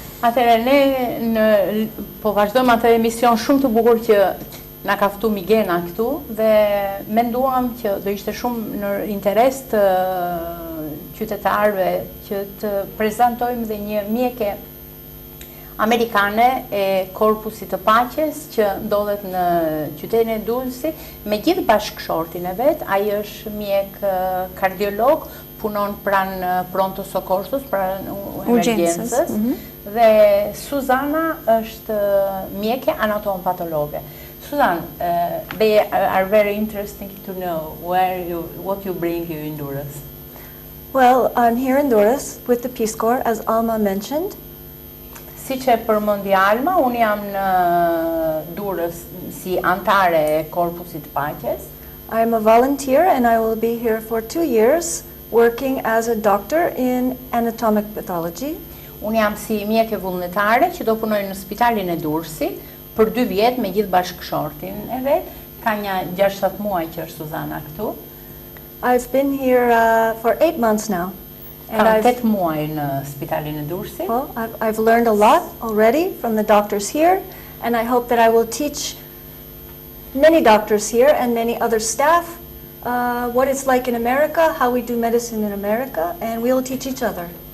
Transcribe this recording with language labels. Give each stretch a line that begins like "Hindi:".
Albanian: Atëherë ne po vazhdojmë atë emision shumë të bukur që na ka ftuar Migena këtu dhe menduam që do ishte shumë në interes të qytetarëve që të prezantojmë dhe një mjekë amerikane e korpusit të paqes që ndodhet në qytetin e Durrësit me gjithë bashkëshortin e vet. Ai është mjek kardiolog, punon pranë pronto sokorsus, pranë urgjencës. Dhe Suzana është mjeke anatompatologe.
English: Suzan, they are very interesting to know where you, what you bring you in Durrës. Well, I'm here in Durrës with the Peace Corps, as Alma mentioned.
Albanian: Si që përmëndi Alma, unë jam në Durës si antare e korpusit paqes.
English: I am a volunteer and I will be here for 2 years working as a doctor in anatomic pathology.
Albanian: Unë jam si mjekë vullnetare që do punoj në spitalin e Durësi për 2 vjet me gjithë bashkëshortin e vet. Ka një 6-7 muaj që është Suzana këtu.
English: I've been here for 8 months now. And
Albanian: kam 8 muaj në spitalin e Durësi.
English: Well, I've learned a lot already from the doctors here and I hope that I will teach many doctors here and many other staff what it's like in America, how we do medicine in America, and we'll teach each other.